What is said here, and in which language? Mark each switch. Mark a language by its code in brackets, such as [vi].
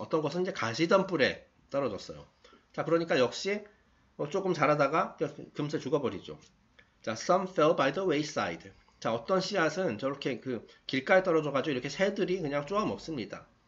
[ko] 어떤 것은 이제 가시덤불에 떨어졌어요. 자, 그러니까 역시 조금 자라다가 금세 죽어버리죠. [en] 자, some fell by the wayside. [ko] 자, 어떤 씨앗은 저렇게 그 길가에 떨어져가지고 이렇게 새들이 그냥 쪼아 먹습니다.